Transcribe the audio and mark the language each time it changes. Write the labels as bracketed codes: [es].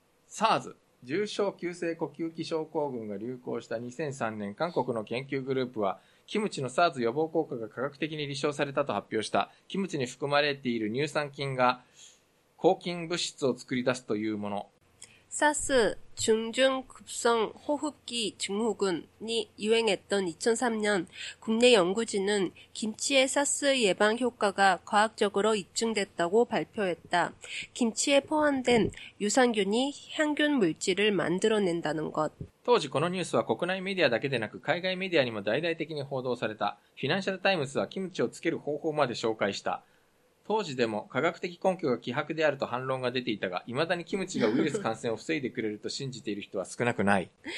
[ja] SARS、重症急性呼吸器症候群が流行した2003年、韓国の研究グループは、キムチの SARS 予防効果が科学的に立証されたと発表した。キムチに含まれている乳酸菌が、抗菌物質を作り出すというもの。 [ko] SARS 중증급성호흡기증후군이유행했던2003년국내연구진은김치의 SARS 예방효과가과학적으로입증됐다고발표했다김치에포함된유산균이향균물질을만들어낸다는것 [ja] 当時このニュースは国内メディアだけでなく海外メディアにも大々的に報道されたフィナンシャルタイムズはキムチをつける方法まで紹介した当時でも科学的根拠が希薄であると反論が出ていたが、未だにキムチがウイルス感染を防いでくれると信じている人は少なくない。